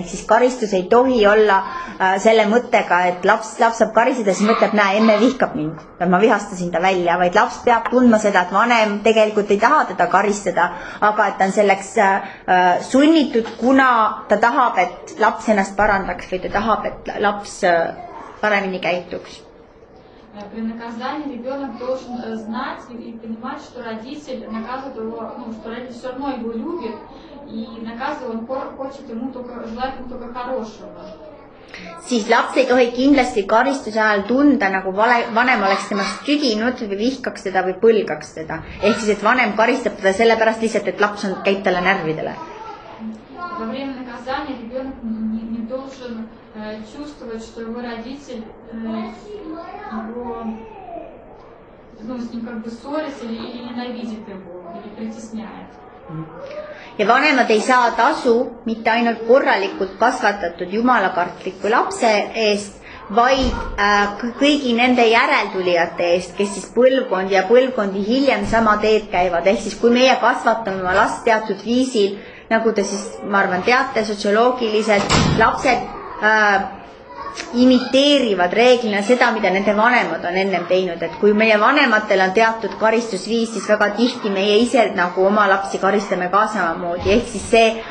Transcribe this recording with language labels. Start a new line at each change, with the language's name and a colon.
Estonian: Ehk siis karistus ei tohi olla selle mõttega, et laps saab karistada, siis mõtleb, näe, emme vihkab mind, ma vihastasin ta välja. Vaid laps peab tundma seda, et vanem tegelikult ei taha teda karistada, aga et ta on selleks sunnitud, kuna ta tahab, et laps ennast parandaks või ta tahab, et laps paremini käituks.
Russian: При наказании ребенок должен знать и понимать, что родитель наказывает его, что родитель все равно его любит и наказывает, он хочет ему только желает ему только хорошего.
Estonian: Siis laps ei tohi kindlasti karistuse ajal tunda, nagu vanem oleks temast tüdinud või vihkaks teda või põlgaks teda. Ehk siis, et vanem karistab teda sellepärast lihtsalt, et laps on käib talle närvidele.
Russian: Во время наказания ребенок не должен чувствовать, что его родитель с ним как бы ссорится или ненавидит его, или притесняет.
Estonian: Ja vanemad ei saa tasu mitte ainult korralikult kasvatatud jumalakartliku lapse eest, vaid kõigi nende järeltulijate eest, kes siis põlvkond ja põlvkondi hiljem sama teed käivad. Ehk siis kui meie kasvatame oma last teatud viisil, nagu te siis, ma arvan, teate sotsioloogiliselt, lapsed imiteerivad reeglina seda, mida nende vanemad on ennem teinud, et kui meie vanematel on teatud karistusviis, siis väga tihti meie ise nagu oma lapsi karistame kaasamamoodi, ehk siis see,